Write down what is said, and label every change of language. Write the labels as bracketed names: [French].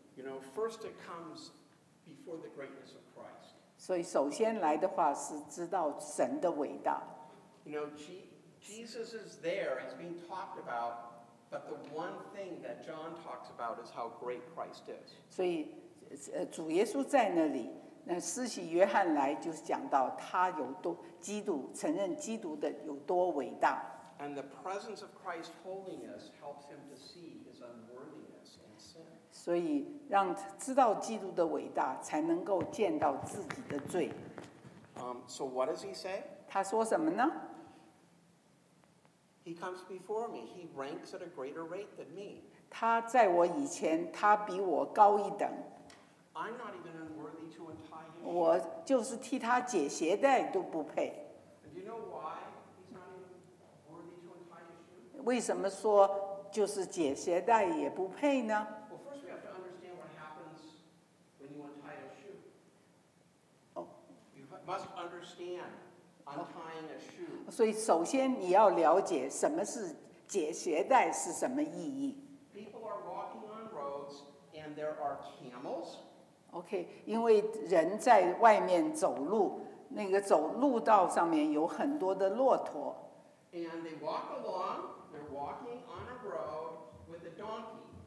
[English] You know, first it comes before the greatness of Christ. [Chinese] 所以首先来的话是知道神的伟大。 [English] You know, Jesus is there, he's being talked about, but the one thing that John talks about is how great Christ is. [Chinese] 所以主耶稣在那里，那施洗约翰来就是讲到他有多基督，承认基督的有多伟大。 [English] And the presence of Christ's holiness helps him to see his unworthiness and sin. [Chinese] 所以让知道基督的伟大，才能够见到自己的罪。 [English] So what does he say? [Chinese] 他说什么呢？ [English] He comes before me. He ranks at a greater rate than me. [Chinese] 他在我以前，他比我高一等。 [English] I'm not even unworthy to untie him. [Chinese] 我就是替他解鞋带都不配。 [English] And do you know why he's not even worthy to untie him? [Chinese] 为什么说就是解鞋带也不配呢？ [English] Well, first we have to understand what happens when you untie a shoe. You must understand. Untying a shoe. [Chinese] 所以首先你要了解什么是解鞋带是什么意义。 [English] People are walking on roads and there are camels. [Chinese] Okay, 因为人在外面走路，那个走路道上面有很多的骆驼。 [English] And they walk along, they're walking on a road with a donkey.